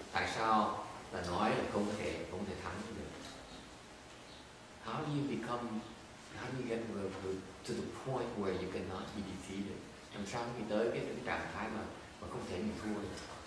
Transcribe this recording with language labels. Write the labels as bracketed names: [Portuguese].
[Vietnamese] Tại sao là nói là không thể thắng được? [English] How do you get to the point where you cannot be defeated? [Vietnamese] Làm sao khi tới cái trạng thái mà không thể bị thua được?